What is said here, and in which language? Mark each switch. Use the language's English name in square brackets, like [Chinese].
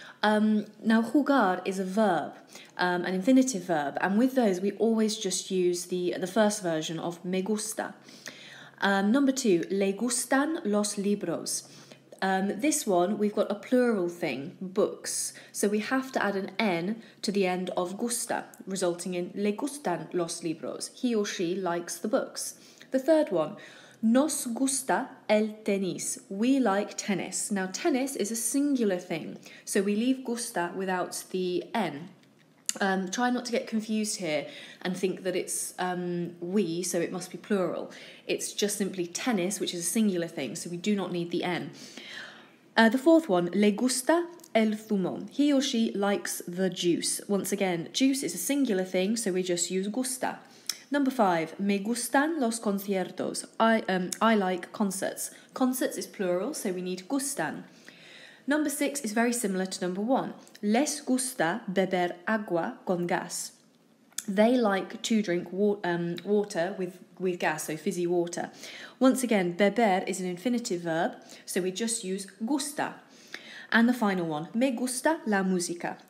[English] Now jugar is a verb, an infinitive verb, and with those we always just use the first version of [Spanish] me gusta. [English] Number two, [Spanish] le gustan los libros. [English] This one, we've got a plural thing, books. So we have to add an N to the end of gusta, resulting in [Spanish] le gustan los libros. [English] He or she likes the books. The third one, [Spanish] nos gusta el tenis. [English] We like tennis. Now, tennis is a singular thing, so we leave gusta without the N. Try not to get confused here and think that it's we, so it must be plural. It's just simply tennis, which is a singular thing, so we do not need the N. The fourth one, [Spanish] le gusta el zumo. [English] He or she likes the juice. Once again, juice is a singular thing, so we just use gusta. Number five, [Spanish] me gustan los conciertos. [English] I like concerts. Concerts is plural, so we need gustan. Number six is very similar to number one. [Spanish] Les gusta beber agua con gas. [English] They like to drink water with gas, so fizzy water. Once again, beber is an infinitive verb, so we just use gusta. And the final one, [Spanish] me gusta la música.